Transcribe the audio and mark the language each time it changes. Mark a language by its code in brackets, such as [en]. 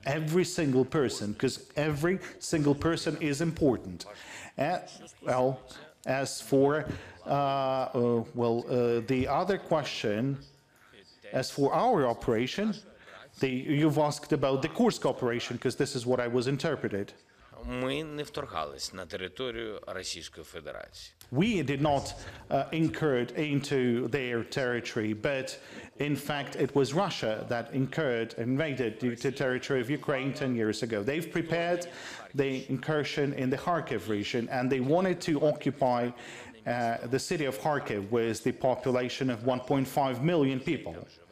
[en] Every single person, because every single person is important. The other question, as for our operation, you've asked about the Kursk operation, because this is what I was interpreted. [uk] Ми не вторгались на територію Російської Федерації. [en] We did not incurred into their territory, but in fact it was Russia that incurred and invaded the territory of Ukraine 10 years ago. They've prepared the incursion in the Kharkiv region, and they wanted to occupy the city of Kharkiv with the population of 1.5 million people.